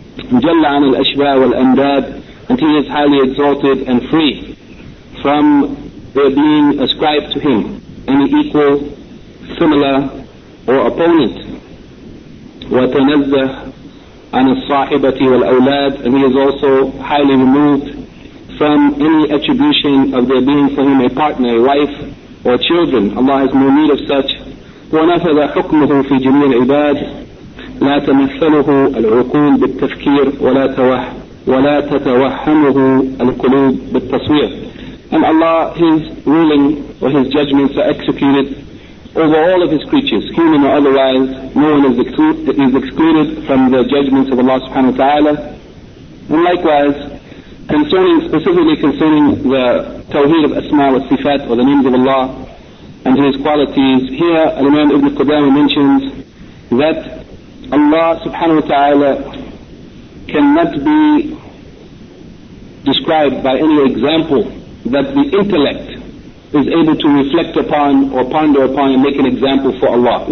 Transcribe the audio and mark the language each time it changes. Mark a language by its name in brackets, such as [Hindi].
[Arabic] جَلَّ عَنِ الْأَشْبَاءِ وَالْأَمْدَادِ, [English] and He is highly exalted and free from their being ascribed to Him any equal, similar or opponent. [Arabic] وتنزه عن الصاحبة والأولاد, [English] and He is also highly removed from any attribution of there being for Him a partner, a wife or children. Allah has no need of such. [Arabic] ونفذ حكمه في جميع العباد لا تمثله العقول بالتفكير ولا تتوهمه القلوب بالتصوير. [English] And Allah, His ruling or His judgments are executed over all of his creatures, human or otherwise. No one is excluded from the judgments of Allah [Arabic] subhanahu wa ta'ala. [English] And likewise, specifically concerning the tawheed of [Arabic] asma wa sifat, [English] or the names of Allah and his qualities, here Al-Imam Ibn Qudamah mentions that Allah [Arabic] subhanahu wa ta'ala [English] cannot be described by any example that the intellect is able to reflect upon or ponder upon and make an example for Allah.